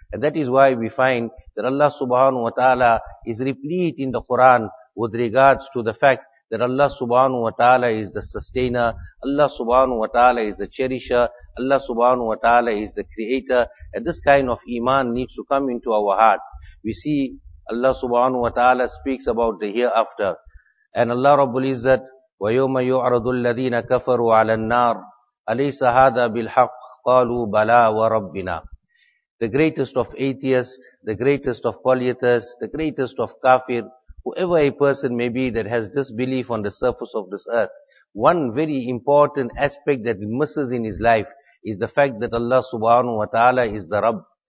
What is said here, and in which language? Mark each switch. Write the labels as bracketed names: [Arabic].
[English] And that is why we find that Allah subhanahu wa ta'ala is replete in the Quran with regards to the fact that Allah subhanahu wa ta'ala is the sustainer, Allah subhanahu wa ta'ala is the cherisher, Allah subhanahu wa ta'ala is the creator. And this kind of iman needs to come into our hearts. We see Allah subhanahu wa ta'ala speaks about the hereafter. [Arabic] And Allah rabbul izzat, وَيَوْمَ يُعْرَضُ الَّذِينَ كَفَرُوا عَلَى النَّارِ أَلَيْسَ هَذَا بِالْحَقِّ قَالُوا بَلَى وَرَبِّنَا. [English] The greatest of atheists, the greatest of polytheists, the greatest of kafir, whoever a person may be that has disbelief on the surface of this earth, one very important aspect that he misses in his life is the fact that Allah subhanahu wa ta'ala is the Rabb.